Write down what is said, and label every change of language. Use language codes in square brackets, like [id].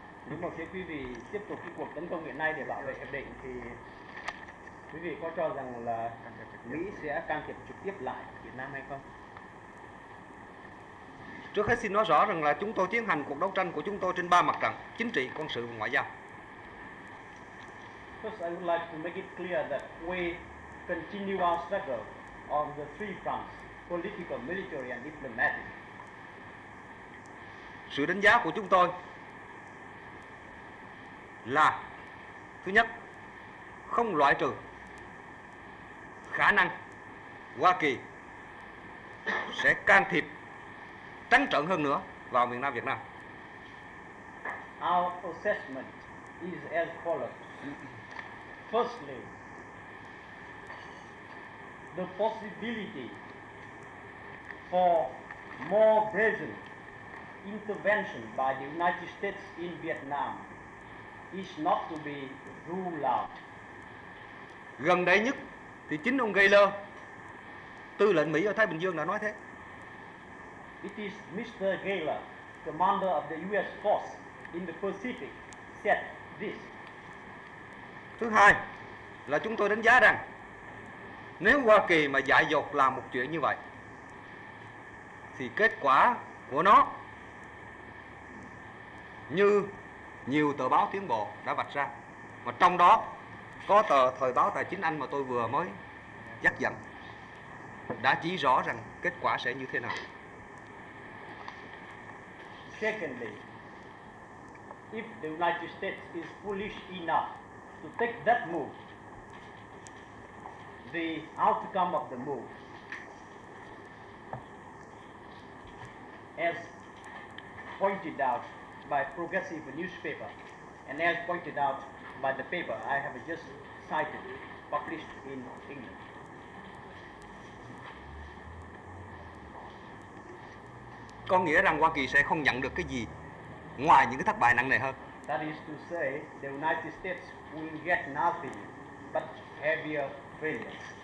[vi] Tiếp tục cái cuộc tấn công hiện nay để bảo vệ hiệp định thì quý vị có cho rằng là Mỹ sẽ can thiệp trực tiếp lại Việt Nam hay không? Trước hết xin nói rõ rằng là chúng tôi tiến hành cuộc đấu tranh của chúng tôi trên ba mặt trận chính trị, quân sự và ngoại giao. [en] First, I would like to make it clear that we continue our struggle on the three fronts, political, military and diplomatic. [vi] Sự đánh giá của chúng tôi là thứ nhất, không loại trừ khả năng Hoa Kỳ sẽ can thiệp trắng trợn hơn nữa vào miền Nam Việt Nam. [en] Our assessment is as follows. Firstly, the possibility for more brazen intervention by the United States in Vietnam is not to be ruled out. [vi] Gần đây nhất thì chính ông Gaylor, tư lệnh Mỹ ở Thái Bình Dương đã nói thế. [en] It is Mr. Gaylor, commander of the US force in the Pacific, said this. [vi] Thứ hai là chúng tôi đánh giá rằng nếu Hoa Kỳ mà dại dột làm một chuyện như vậy thì kết quả của nó như nhiều tờ báo tiến bộ đã vạch ra, mà trong đó có tờ Thời báo Tài chính Anh mà tôi vừa mới dắt dẫn đã chỉ rõ rằng kết quả sẽ như thế nào. [en] Secondly, if the United States is foolish enough to take that move, the outcome of the move, as pointed out by progressive newspaper and as pointed out by the paper I have just cited, published in England, [vi] có nghĩa rằng Hoa Kỳ sẽ không nhận được cái gì ngoài những cái thất bại nặng nề hơn. [en] That is to say, the United States will get nothing but heavier failure.